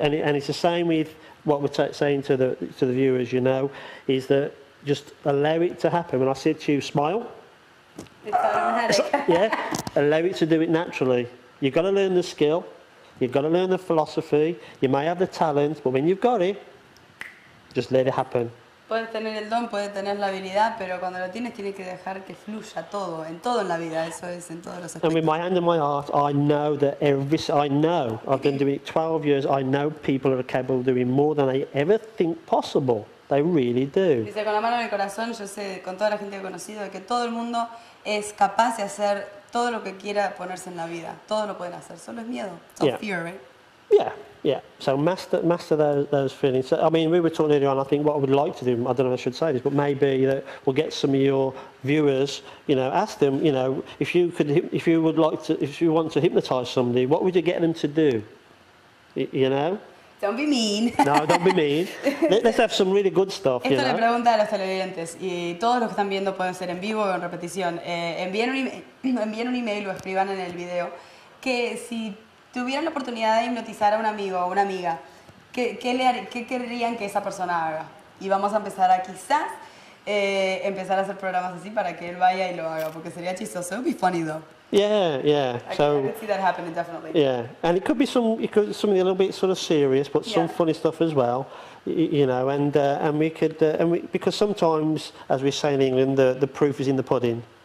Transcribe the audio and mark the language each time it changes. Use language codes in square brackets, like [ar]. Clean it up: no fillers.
[en] And it's the same with what we're saying to the viewers, you know, is that just allow it to happen. When I said to you, smile. Yeah, allow it to do it naturally. You've got to learn the skill. You've got to learn the philosophy. You may have the talent, but when you've got it, just let it happen. [es] Puedes tener el don, puedes tener la habilidad, pero cuando lo tienes, tienes que dejar que fluya todo, en todo en la vida. Eso es, en todos los aspectos. [en] And with my hand and my heart, I know that I've been doing it 12 years. I know people are capable of doing more than they ever think possible. They really do. [es] Dice, con la mano en el corazón, yo sé, con toda la gente que he conocido, que todo el mundo es capaz de hacer todo lo que quiera ponerse en la vida. Todo lo pueden hacer. Solo es miedo. [en] It's all fear, right? Yeah. So master those feelings. I mean, we were talking earlier on, I think what I would like to do, I don't know if I should say this, but maybe that we'll get some of your viewers, you know, ask them, you know, if you want to hypnotize somebody, what would you get them to do? You know? Don't be mean. No, don't be mean. Let's have some really good stuff. [es] Esto [en] you know? [es] Le pregunta a los televidentes y todos los que están viendo pueden ser en vivo o en repetición. Envíen un email o escriban en el video que si tuvieran la oportunidad de hipnotizar a un amigo o una amiga, ¿qué querrían que esa persona haga? Y vamos a empezar a quizás empezar a hacer programas así para que él vaya y lo haga, porque sería chistoso. [en] It would be funny though. Yeah. I could see that happening, definitely. Yeah, and it could be something a little bit sort of serious, but some funny stuff as well, you know. And we could because sometimes, as we say in England, the proof is in the pudding.